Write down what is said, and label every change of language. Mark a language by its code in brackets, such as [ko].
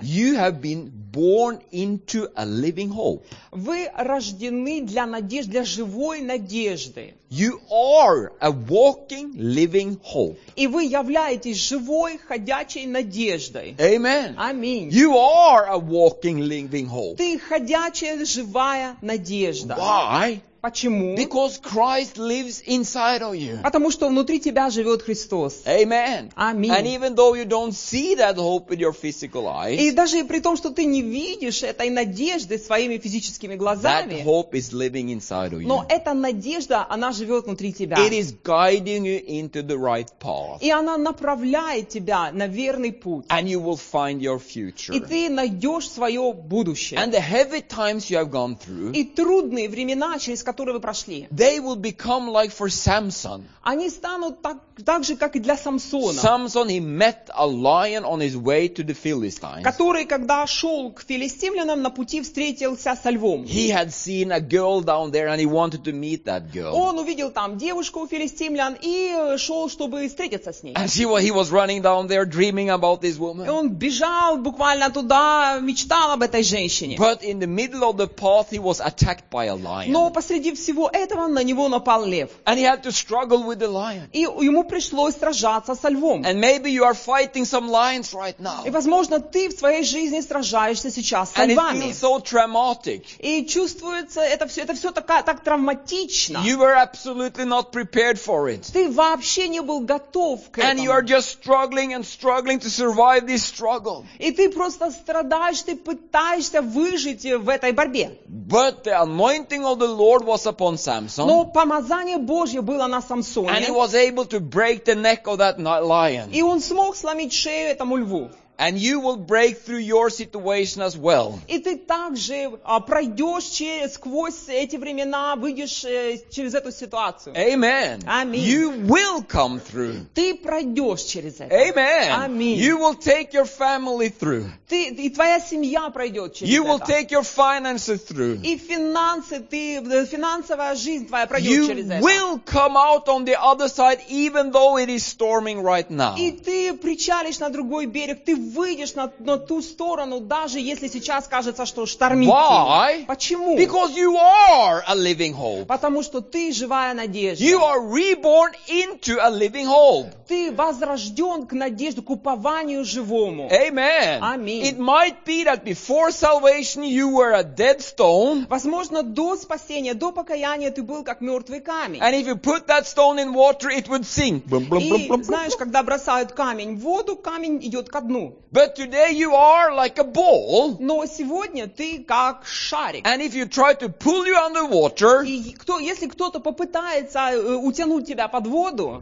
[en] You have been born into a living hope. [ru] Вы рождены для надежды, для живой надежды. [en] You are a walking, living hope. [ru] И вы являетесь живой, ходячей надеждой. [en] Amen. [ru] Аминь. [en] You are a walking, living hope. [ru] Ты ходячая, живая надежда. [en] Why? [ru] Почему? [en] Because Christ lives inside of you. [ru] Потому что внутри тебя живет Христос. [en] Amen. [ru] Аминь. [en] And even though you don't see that hope with your physical eyes, [ru] и даже при том, что ты не видишь этой надежды своими физическими глазами, [en] that hope is living inside of you. [ru] Но эта надежда, она живет внутри тебя. [en] It is guiding you into the right path. [ru] И она направляет тебя на верный путь. [en] And you will find your future. [ru] И ты найдешь свое будущее. [en] And the heavy times you have gone through, [ru] и трудные времена, через которые вы прошли, [en] they will become like for Samson. [ru] Они станут так же, как и для Самсона. [en] Samson, he met a lion on his way to the Philistines. [ru] Который, когда шел к филистимлянам, на пути встретился со львом. [en] He had seen a girl down there and he wanted to meet that girl. [ru] Он увидел там девушку филистимлян и шел, чтобы встретиться с ней. [en] And he was running down there dreaming about this woman. [ru] Он бежал буквально туда, мечтал об этой женщине. [en] But in the middle of the path he was attacked by a lion. [ru] Но посреди всего этого на него напал лев. [en] And he had to struggle with the lion. [ru] И ему пришлось сражаться со львом. [en] And maybe you are fighting some lions right now. [ru] И возможно, ты в своей жизни сражаешься сейчас со [en] And [ru] львами. [en] It feels so traumatic. [ru] И чувствуется это все так травматично. [en] You were absolutely not prepared for it. [ru] Ты вообще не был готов к [en] And [ru] этому. [en] You are just struggling and struggling to survive this struggle. [ru] И ты просто страдаешь, ты пытаешься выжить в этой борьбе. [en] But the anointing of the Lord was upon Samson. [ru] Но помазание Божье было на Самсоне. [en] And he was able to break the neck of that lion. [ru] И он смог сломить шею этому льву. [en] And you will break through your situation as well. [ru] И ты также пройдешь сквозь эти времена, выйдешь через эту ситуацию. [en] Amen. [ru] Аминь. [en] You will come through. [ru] Ты пройдешь через это. [en] Amen. [ru] Аминь. [en] You will take your family through. [ru] Ты и твоя семья пройдет через [en] you [ru] это. [en] Will take your finances through. [ru] И финансы, ты финансовая жизнь твоя пройдет [en] you [ru] через это. [en] You will come out on the other side, even though it is storming right now. [ru] И ты причалишь на другой берег, ты выйдешь на ту сторону, даже если сейчас кажется, что штормит. [en] Why? [ru] Почему? [en] Because you are a living hope. [ru] Потому что ты живая надежда. [en] You are reborn into a living hope. [ru] Ты возрожден к надежде, к упованию живому. [en] Amen. [ru] Аминь. [en] It might be that before salvation you were a dead stone. [ru] Возможно, до спасения, до покаяния ты был как мертвый камень. [en] And if you put that stone in water, it would sink. [ru] И знаешь, когда бросают камень в воду, камень идет ко дну. [en] But today you are like a ball. [ru] Но сегодня ты как шарик. [en] And if you try to pull you under water, [ru] если кто-то попытается утянуть тебя под воду,